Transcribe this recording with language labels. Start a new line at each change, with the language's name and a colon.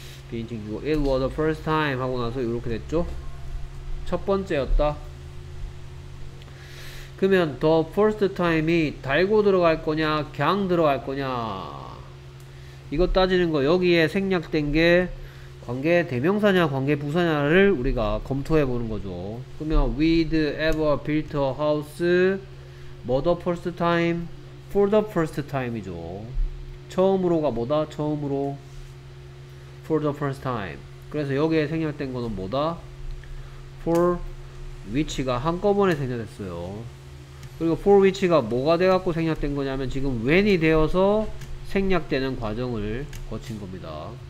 Korean: 비인칭 주어
English: It was the first time
Korean: 하고 나서 이렇게 됐죠. 첫 번째였다. 그러면 the first time이 달고 들어갈 거냐 그냥 들어갈 거냐 이거 따지는 거. 여기에 생략된 게 관계 대명사냐 관계 부사냐를 우리가 검토해 보는 거죠. 그러면
English: we'd ever built a house for the first time, for the first time이죠.
Korean: 처음으로가 뭐다? 처음으로
English: for the first time.
Korean: 그래서 여기에 생략된 거는 뭐다? for which가 한꺼번에 생략됐어요. 그리고 for which가 뭐가 돼갖고 생략된 거냐면 지금 when이 되어서 생략되는 과정을 거친 겁니다.